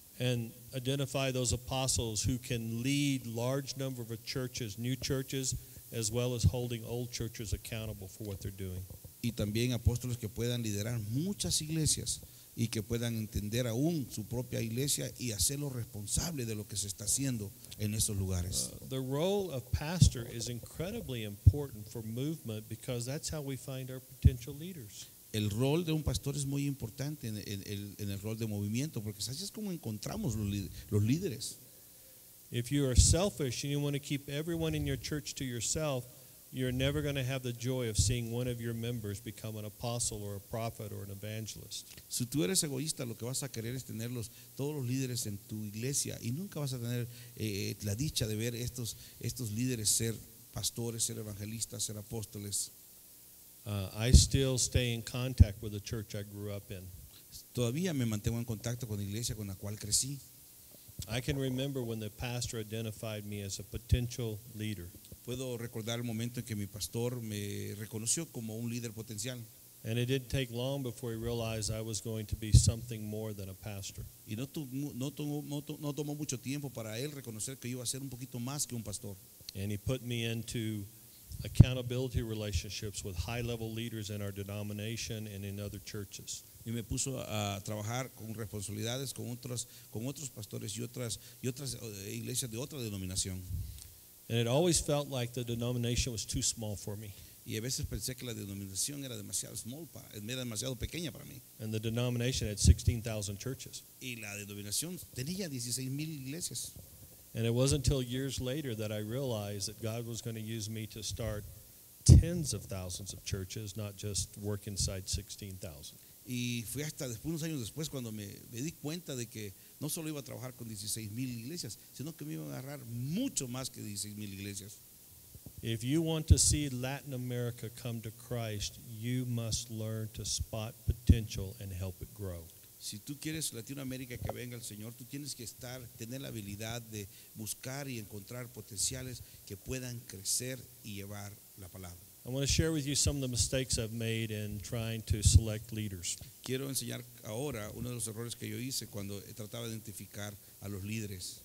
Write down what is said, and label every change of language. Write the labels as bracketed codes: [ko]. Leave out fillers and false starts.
[en] And identify those apostles who can lead large number of churches, new churches, as well as holding old churches accountable for what they're doing. [es] Y también apóstoles que puedan liderar muchas iglesias y que puedan entender aún su propia iglesia y hacerlo responsable de lo que se está haciendo en esos lugares. [en] The role of pastor is incredibly important for movement because that's how we find our potential leaders. [es] El rol de un pastor es muy importante en el rol de movimiento porque así es como encontramos los líderes. [en] If you are selfish and you want to keep everyone in your church to yourself, you're never going to have the joy of seeing one of your members become an apostle or a prophet or an evangelist. [es] Si tú eres egoísta, lo que vas a querer es tener todos los líderes en tu iglesia y nunca vas a tener la dicha de ver estos líderes ser pastores, ser evangelistas, ser apóstoles. [en] I still stay in contact with the church I grew up in. [es] Todavía me mantengo en contacto con la iglesia con la cual crecí. [en] I can remember when the pastor identified me as a potential leader. [es] Puedo recordar el momento en que mi pastor me reconoció como un líder potencial. [en] And it didn't take long before he realized I was going to be something more than a pastor. [es] Y no tomó mucho tiempo para él reconocer que iba a ser un poquito más que un pastor. [en] And he put me into accountability relationships with high-level leaders in our denomination and in other churches. [es] Y me puso a trabajar con responsabilidades con otros pastores y otras iglesias de otra denominación. [en] And it always felt like the denomination was too small for me. [es] Y a veces pensé que la denominación era demasiado [en] small [es] era demasiado pequeña para mí. [en] And the denomination had 16,000 churches. [es] Y la denominación tenía 16,000 iglesias. [en] And it wasn't until years later that I realized that God was going to use me to start tens of thousands of churches, not just work inside 16,000. [es] Y fue hasta después, unos años después, cuando me di cuenta de que no solo iba a trabajar con 16,000 iglesias, sino que me iba a agarrar mucho más que 16,000 iglesias. [en] If you want to see Latin America come to Christ, you must learn to spot potential and help it grow. [es] Si tú quieres Latinoamérica que venga el Señor, tú tienes que tener la habilidad de buscar y encontrar potenciales que puedan crecer y llevar la palabra. [en] I want to share with you some of the mistakes I've made in trying to select leaders. [es] Quiero enseñar ahora uno de los errores que yo hice cuando trataba de identificar a los líderes.